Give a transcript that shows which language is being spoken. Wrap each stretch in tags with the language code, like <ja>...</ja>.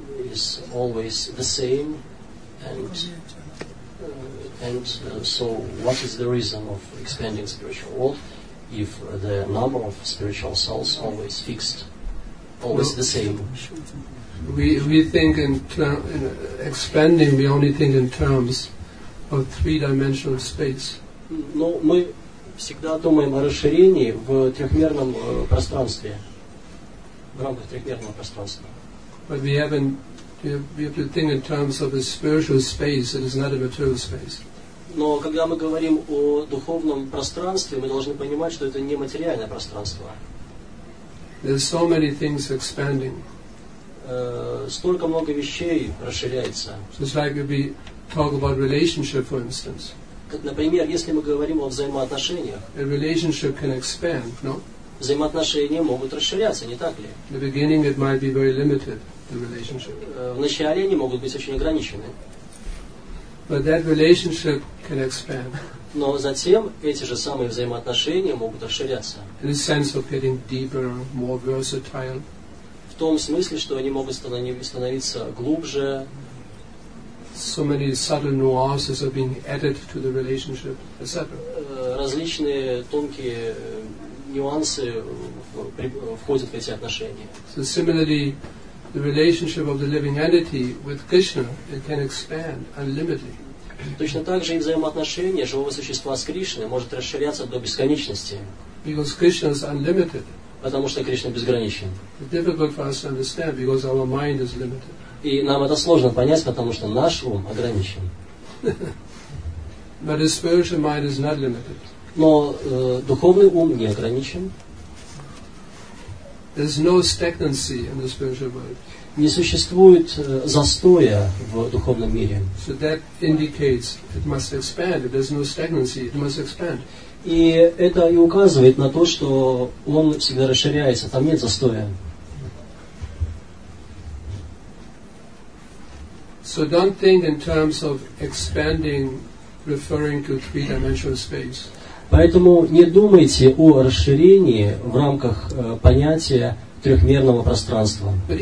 <en>Is always the same, and so what is the reason of expanding spiritual world if the number of spiritual souls always fixed, always the same? We think in expanding, we only think in terms of three-dimensional space.</en> <ru>Но мы всегда думаем о расширении в трехмерном пространстве, в рамках трехмерного пространства.</ru> <en>But we haven't. We have to think in terms of a spiritual space. It is not a material space.</en> <ru>Но когда мы говорим о духовном пространстве, мы должны понимать, что это не материальное пространство.</ru> <en>There are so many things expanding.</en> <ru>Столько много вещей расширяется.</ru> <en>So it's like if we talk about relationship, for instance.</en> <ru>Например, если мы говорим о взаимоотношениях.</ru> <en>A relationship can expand, no?</en> <ru>Взаимоотношения могут расширяться, не так ли?</ru> <en>In the beginning, it might be very limited.</en> <ru>Вначале они могут быть очень ограничены.</ru> <en>But that relationship can expand.</en> <ru>Но затем эти же самые взаимоотношения могут расширяться.</ru> <en>In the sense of getting deeper, more versatile.</en> <ru>В том смысле, что они могут становиться глубже.</ru> <en>So many subtle nuances are being added to the relationship, etc.</en> <ru>Различные тонкие нюансы входят в эти отношения.</ru> <en>So similarly, the relationship of the living entity with Krishna, it can expand unlimitedly.</en> <ru>Точно так же и взаимоотношение живого существа с Кришной может расширяться до бесконечности.</ru> <en>Because Krishna is unlimited.</en> <ru>Потому что Кришна безграничен.</ru> <en>It's difficult for us to understand because our mind is limited.</en> <ru>И нам это сложно понять, потому что наш ум ограничен.</ru> <en>But the spiritual mind is not limited.</en> <ru>Но духовный ум не ограничен.</ru> <en>There's no stagnancy in the spiritual world.</en> <ru>Не существует застоя в духовном мире.</ru> <en>So that indicates it must expand. If there's no stagnancy, it must expand.</en> <ru>И это и указывает на то, что он всегда расширяется. Там нет застоя.</ru> <en>So don't think in terms of expanding, referring to three-dimensional space.</en> <ru>Поэтому не думайте о расширении в рамках понятия трехмерного пространства.</ru>